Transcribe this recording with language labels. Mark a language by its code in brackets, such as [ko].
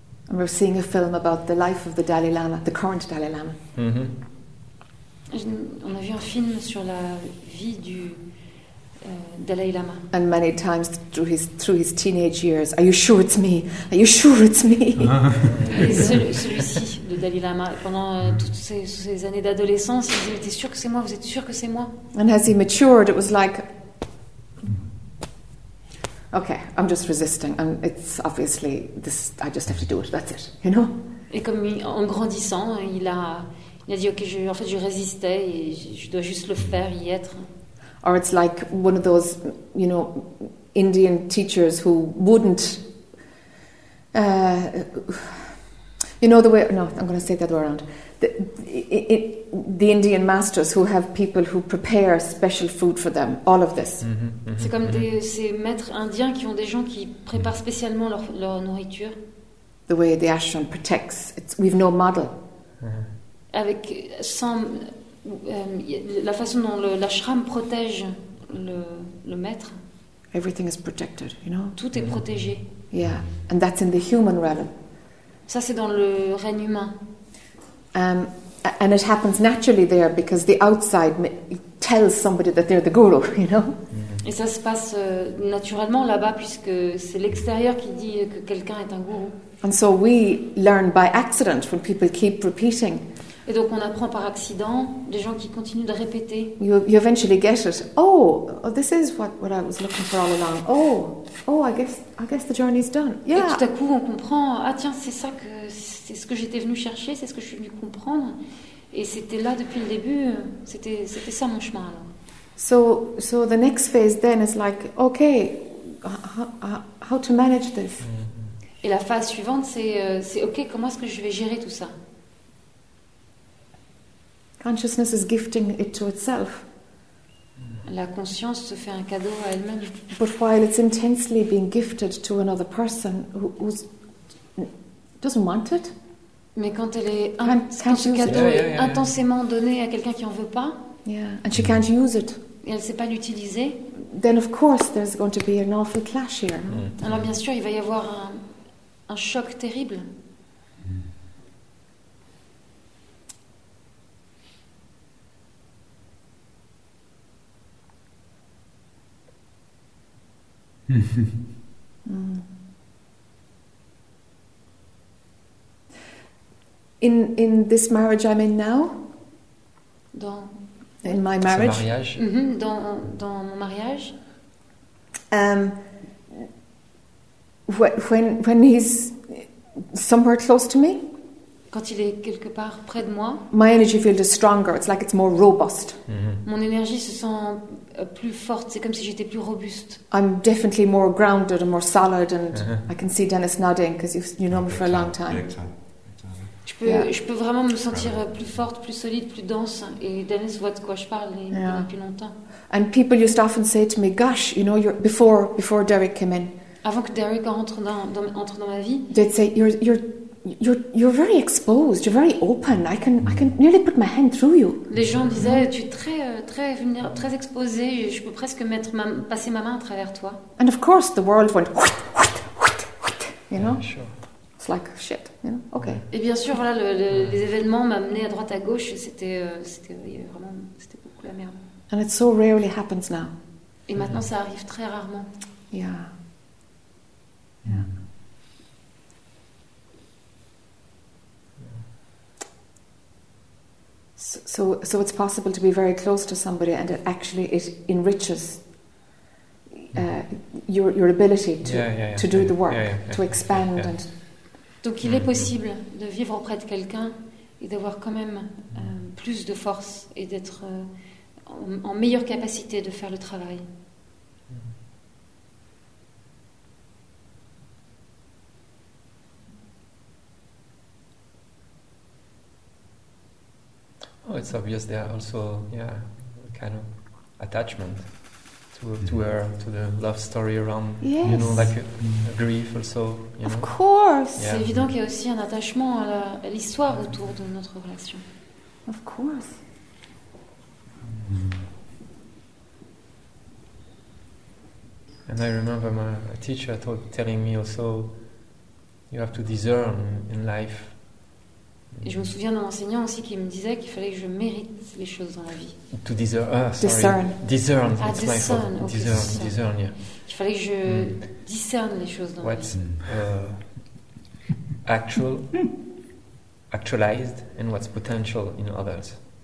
[en] We're seeing a film about the life of the Dalai Lama, the current Dalai Lama. Mm-hmm. [fr] On a vu un film sur la vie du Dalai Lama. [en] And many times through his teenage years, are you sure it's me? Are you sure it's me? [fr] celui-ci, le Dalai Lama, pendant toutes ces années d'adolescence, il disait, t'es sûr que c'est moi? Vous êtes sûr que c'est moi? [en] And as he matured, it was like, okay, I'm just resisting. And it's obviously this. I just have to do it. That's it. You know. [fr] Et comme en grandissant, il a dit, okay, je résistais et je dois juste le faire, y être. [en] Or it's like one of those, you know, Indian teachers who wouldn't. You know the way. No, I'm going to say the other way around. The Indian masters who have people who prepare special food for them, all of this. [fr] C'est comme ces maîtres indiens qui ont des gens qui préparent spécialement leur nourriture. [en] The way the ashram protects, we've no model. [fr] Avec sans la façon dont l'ashram protège le maître. [en] Everything is protected, you know. [fr] Tout est protégé. [en] Yeah, and that's in the human realm. [fr] Ça c'est dans le règne humain. [en] And it happens naturally there because the outside tells somebody that they're the guru, you know. [fr] Et ça se passe naturellement là-bas puisque c'est l'extérieur qui dit que quelqu'un est un gourou. [en] And so we learn by accident when people keep repeating. [fr] Et donc on apprend par accident des gens qui continuent de répéter. [en] You eventually get it. Oh, this is what I was looking for all along. Oh, I guess the journey is done. Yeah. [fr] Et tout à coup on comprend. Ah tiens, c'est ça que. C'est ce que j'étais venu chercher, c'est ce que je suis venu comprendre, et c'était là depuis le début. C'était ça mon chemin alors. [en] So the next phase then is like, okay, how to manage this? [fr] Et la phase suivante c'est okay, comment est-ce que je vais gérer tout ça? [en] Consciousness is gifting it to itself. [fr] La conscience se fait un cadeau à elle-même. [en] But while it's intensely being gifted to another person who's doesn't want it. [fr] Mais quand elle est quand ce cadeau est intensément donné à quelqu'un qui en veut pas, [en] yeah, and she can't use it. [fr] Et elle sait pas l'utiliser. [en] Then of course there's going to be an awful clash here. Mm. [fr] Alors bien sûr, il va y avoir un choc terrible. Mm. [en] In this marriage I'm in now. In my marriage. [fr] Mariage. Mm-hmm. Dans mon mariage. [en] When he's somewhere close to me. [fr] Quand il est quelque part près de moi. [en] My energy field is stronger. It's like it's more robust. [fr] Mm-hmm. Mon énergie se sent plus forte. C'est comme si j'étais plus robuste. [en] I'm definitely more grounded and more solid, and I can see Dennis nodding because you know me for a long time. [fr] Je peux vraiment me sentir plus forte, plus solide, plus dense. Et Dennis voit de quoi je parle depuis longtemps. [en] And people used to often say to me, "Gosh, you know, you're before Derek came in." [fr] Avant que Derek entre dans ma vie. [en] They'd say, "You're very exposed. You're very open. I can nearly put my hand through you." [fr] Les gens disaient, "Tu es très très vulnérable, très exposé. Je peux presque passer ma main à travers toi." [en] And of course, the world went, "What? You know. Yeah, sure. It's like shit, you know? Okay. [fr] Et bien sûr, voilà, les événements m'ont amené à droite à gauche. C'était beaucoup la merde. [en] And it so rarely happens now. [fr] Et maintenant, ça arrive très rarement. [en] Yeah. Yeah. So it's possible to be very close to somebody, and it actually it enriches your ability to do the work, to expand. Yeah. And [fr] donc il est possible de vivre auprès de quelqu'un et d'avoir quand même plus de force et d'être en meilleure capacité de faire le travail. [en] Oh, it's obvious there also, a kind of attachment to her, to the love story around, you know, like a grief also, you know. Of course. [fr] Yeah. C'est évident qu'il y a aussi un attachement à l'histoire autour de notre relation. [en] Of course. And I remember my teacher telling me also, you have to discern in life. [fr] Et je me souviens d'un enseignant aussi qui me disait qu'il fallait que je mérite les choses dans la vie. [en] To discern. Discern. Discern, yeah. [fr] Qu'il fallait que je discerne les choses dans la vie. [en] What's actualized and what's potential in others.